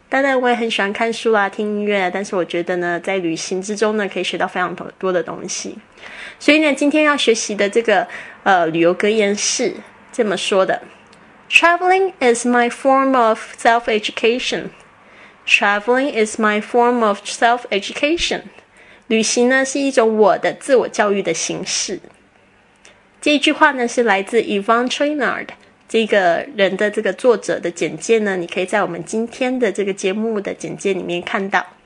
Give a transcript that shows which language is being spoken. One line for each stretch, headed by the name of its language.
Chinese: 当然我也很喜欢看书啊，听音乐啊，但是我觉得呢，在旅行之中呢，可以学到非常多的东西。所以呢，今天要学习的这个旅游格言是这么说的：
English: Traveling is my form of self-education. Traveling is my form of self-education.
Chinese: 旅行呢，是一种我的自我教育的形式。这一句话呢，是来自 Yvonne Trainard 这个人的这个作者的简介呢，你可以在我们今天的这个节目的简介里面看到。